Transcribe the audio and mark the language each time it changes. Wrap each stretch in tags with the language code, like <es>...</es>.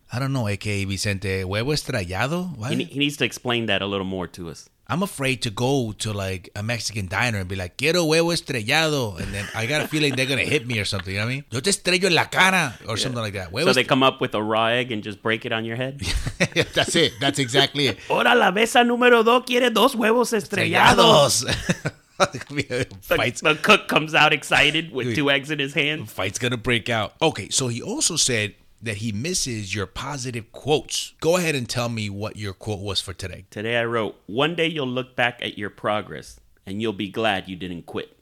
<en>I don't know, a.k.a. Vicente.</en> <es>Huevo estrellado?</es> <en>What? He needs to explain that a little more to us. I'm afraid to go to like a Mexican diner and be like,</en> <es>quiero huevo estrellado.</es> <en>And then I got a feeling they're going to hit me or something. You know what I mean?</en> <es>Yo te estrello en la cara</es> <en>or something like that. Huevo so they come up with a raw egg and just break it on your head? That's it. That's exactly it.</en> <es>Ahora la mesa número dos quiere dos huevos estrellados.</es> <en>The cook comes out excited with two eggs in his hand. Fight's going to break out. Okay. So he also said that he misses your positive quotes. Go ahead and tell me what your quote was for today. Today I wrote, one day you'll look back at your progress and you'll be glad you didn't quit.</en>